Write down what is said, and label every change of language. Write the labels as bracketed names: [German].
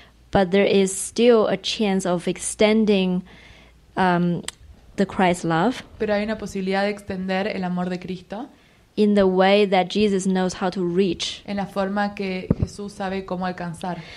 [English] but there is still a chance of extending the Christ's love. [Spanish] Pero hay una posibilidad de extender el amor de Cristo. [English] In the way that Jesus knows how to reach. [Spanish] En la forma que Jesús sabe cómo alcanzar.